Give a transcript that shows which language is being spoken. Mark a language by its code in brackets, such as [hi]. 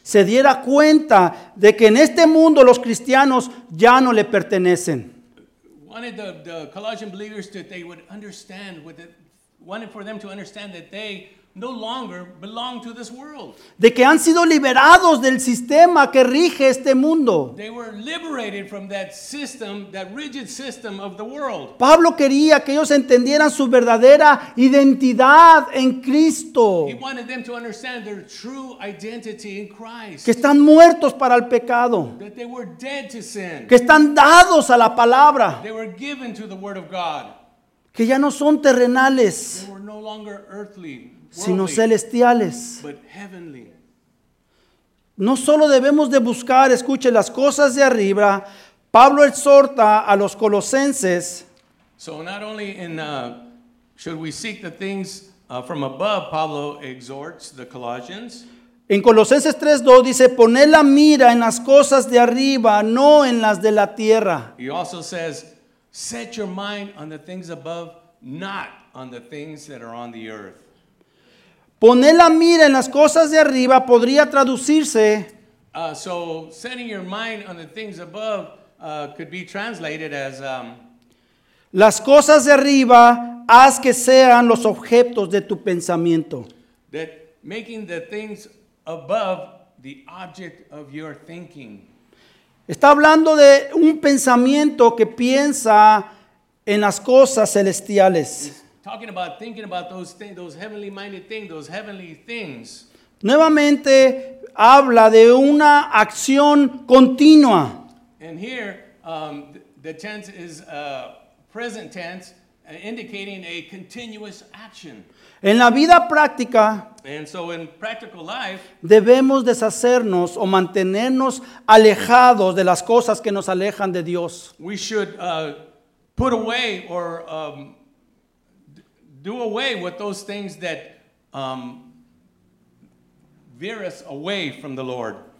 [es] se diera cuenta de que en este mundo los cristianos ya no le pertenecen. [en] Wanted the Colossian believers that they would understand with it, wanted for them to understand that they no longer belong to this world. [es] De que han sido liberados del sistema que rige este mundo. [en] They were liberated from that system, that rigid system of the world. [es] Pablo quería que ellos entendieran su verdadera identidad en Cristo. [en] He wanted them to understand their true identity in Christ. [es] Que están muertos para el pecado. [en] That they were dead to sin. [es] Que están dados a la palabra. [en] They were given to the word of God. [es] Que ya no son terrenales. [en] They were no longer earthly. [es] Sino celestiales. [en] But heavenly. [es] No solo debemos de buscar, escuche, las cosas de arriba. Pablo exhorta a los colosenses. [en] So not only in should we seek the things from above, Pablo exhorts the Colossians. [es] En Colosenses 3:2 dice, poner la mira en las cosas de arriba, no en las de la tierra. [en] He also says, set your mind on the things above, not on the things that are on the earth. [es] Poner la mira en las cosas de arriba podría traducirse. [en] So setting your mind on the things above could be translated as [es] las cosas de arriba haz que sean los objetos de tu pensamiento. [en] That making the things above the object of your thinking. [es] Está hablando de un pensamiento que piensa en las cosas celestiales. [en] Talking about thinking about those things, those heavenly minded things, those heavenly things. [es] Nuevamente habla de una acción continua. [en] And here the tense is present tense indicating a continuous action. [es] En la vida práctica, [en] and so in practical life, [es] debemos deshacernos o mantenernos alejados de las cosas que nos alejan de Dios. [en] We should put away or do away with those things that veer us away from the Lord.